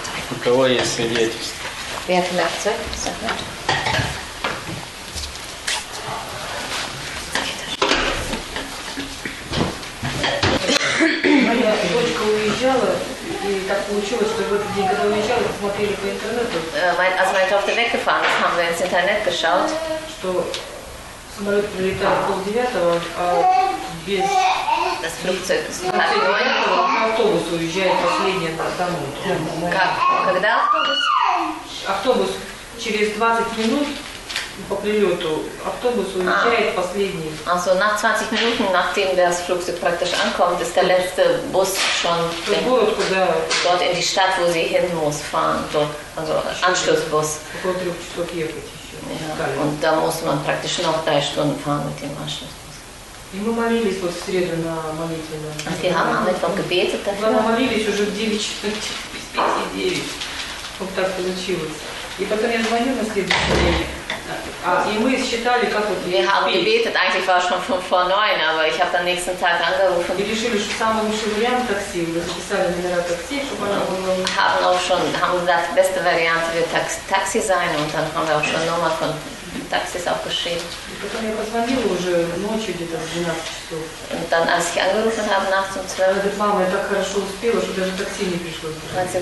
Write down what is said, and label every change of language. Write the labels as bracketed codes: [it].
[ru] У кого есть свидетельство? Моя дочка уезжала, и так получилось, что в этот день, когда уезжала, смотрели по интернету. [de] Als meine Tochter weggefahren ist, haben wir ins Internet geschaut. [ru] Что самолет прилетает полдевятого, а [de] Das Flugzeug ist halb neun. [ru] Автобус уезжает последний там. Как? Когда автобус? Автобус через 20 минут по прилету. Автобус уезжает последний. [de] Also nach 20 Minuten, nachdem das Flugzeug praktisch ankommt, ist der letzte Bus schon dort in die Stadt, wo sie hin muss, fahren. Dort, also Anschlussbus. Ja, und da muss man praktisch noch 3 Stunden fahren mit dem Anschluss. [ru] И мы молились вот в среду на молитве. [de] Wir haben am Mittwoch gebetet dafür. [ru] Мы молились уже в 9:59. Вот так получилось. И потом я звоню на следующий день. И мы считали, как вот... [de] Wir haben gebetet, eigentlich war schon 8:55, aber ich habe dann nächsten Tag angerufen. [ru] И решили, что самый лучший вариант такси. Мы записали номера такси, чтобы она была... [de] Haben auch schon, haben gesagt, beste Variante wird Taxi sein. Und dann haben wir auch schon Nummer von... Taxis aufgeschrieben. Und dann, als ich angerufen habe, nachts um 12 Uhr, hat sie